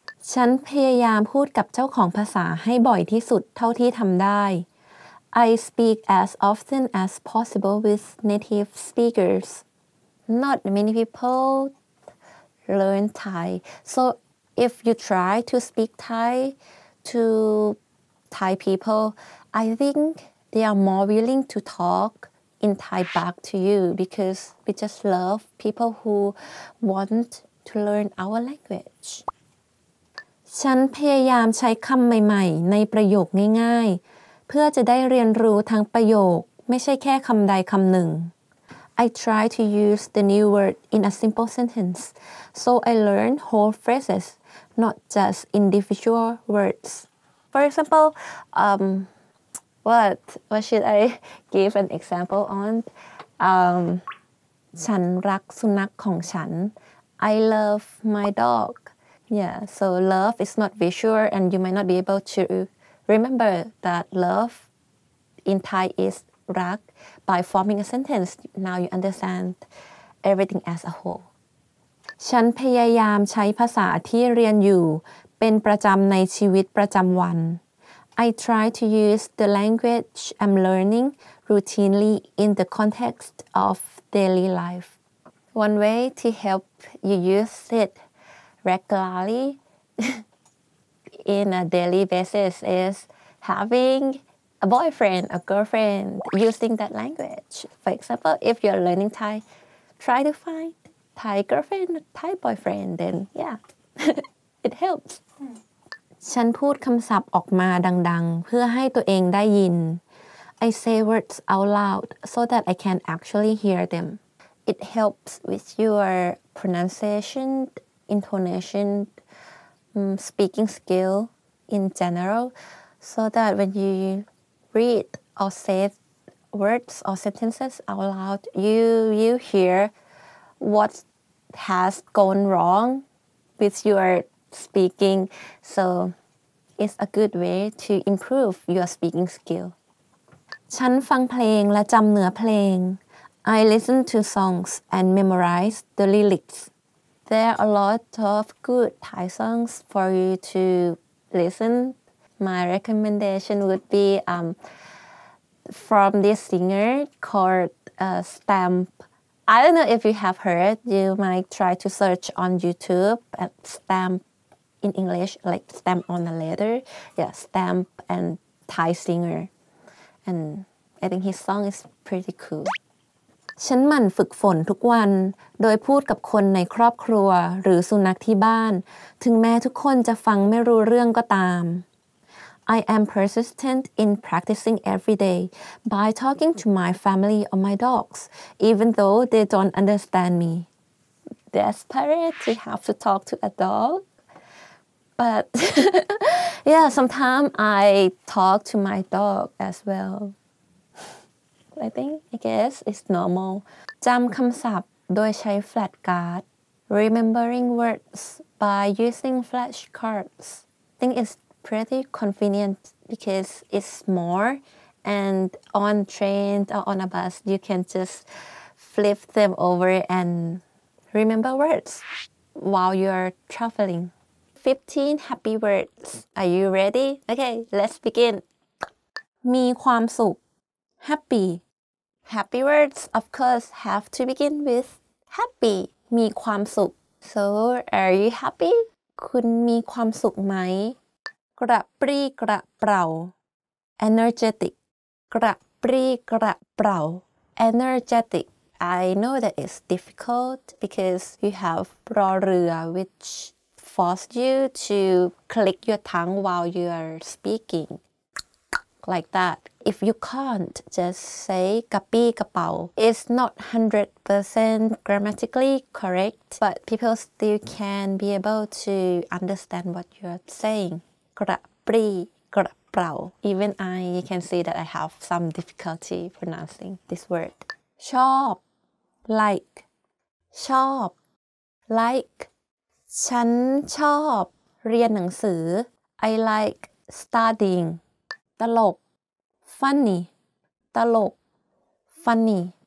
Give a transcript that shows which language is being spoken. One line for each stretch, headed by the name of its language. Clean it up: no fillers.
Thai: ฉันพยายามพูดกับเจ้าของภาษาให้บ่อยที่สุดเท่าที่ทำได้
English: I speak as often as possible with native speakers. Not many people learn Thai. So if you try to speak Thai to Thai people, I think they are more willing to talk in Thai back to you because we just love people who want to learn our language.
Thai: ฉันพยายามใช้คำใหม่ๆในประโยคง่ายๆเพื่อจะได้เรียนรู้ทั้งประโยคไม่ใช่แค่คำใดคำหนึ่ง
English: I try to use the new word in a simple sentence so I learn whole phrases not just individual words For example what should I give an example on
Thai: ฉันรักสุนัขของฉัน
English: I love my dogYeah, so love is not visual and you might not be able to remember that love in Thai is rak by forming a sentence. Now you understand everything as a whole.
Thai: ฉันพยายามใช้ภาษาที่เรียนอยู่เป็นประจำในชีวิตประจำวัน
English: I try to use the language I'm learning routinely in the context of daily life. One way to help you use itRegularly in a daily basis is having a boyfriend, a girlfriend using that language. For example, if you're learning Thai, try to find Thai girlfriend, Thai boyfriend, then yeah, it helps.
Thai: ฉันพูดคำศัพท์ออกมาดังๆเพื่อให้ตัวเองได้ยิน
English: I say words out loud so that I can actually hear them. It helps with your pronunciationintonation, speaking skill in general, so that when you read or say words or sentences out loud, you hear what has gone wrong with your speaking. So it's a good way to improve your speaking skill.
Thai: ฉันฟังเพลงและจำเนื้อเพลง
English: I listen to songs and memorize the lyrics. There are a lot of good Thai songs for you to listen. My recommendation would be from this singer called Stamp. I don't know if you have heard. You might try to search on YouTube at Stamp in English, like stamp on a letter. Yeah, Stamp and Thai singer. And I think his song is pretty cool.
Thai: ฉันหมั่นฝึกฝนทุกวันโดยพูดกับคนในครอบครัวหรือสุนัขที่บ้านถึงแม้ทุกคนจะฟังไม่รู้เรื่องก็ตาม
English: I am persistent in practicing every day by talking to my family or my dogs even though they don't understand me Desperate to have to talk to a dog but yeah sometimes I talk to my dog as wellI guess it's normal.
Thai: จำคำศัพท์โดยใช้ flat card.
English: Remembering words by using flash cards. I think it's pretty convenient because it's more and on train or on a bus, you can just flip them over and remember words while you're traveling. 15 happy words. Are you ready? Okay, let's begin.
Thai: มีความสุข Happy.
English: Happy words, of course, have to begin with happy.
Thai: มีความสุข
English: So, are you happy?
Thai: คุณมีความสุขไหม กระปรี้กระเปร่า
English: Energetic.
Thai: กระปรี้กระเปร่า
English: Energetic. I know that it's difficult because you have รอเรือ which force you to click your tongue while you are speaking. Like that. If you can't just say กระปี้กระเป๋า it's not 100% grammatically correct, but people still can be able to understand what you're saying.
Thai: กระปรี้กระเป๋า
English: Even I can see that I have some difficulty pronouncing this word.
Thai: ชอบ like ชอบ like ฉันชอบเรียนหนังสือ
English: I like studying.
Thai: ตลก funny ตลก funny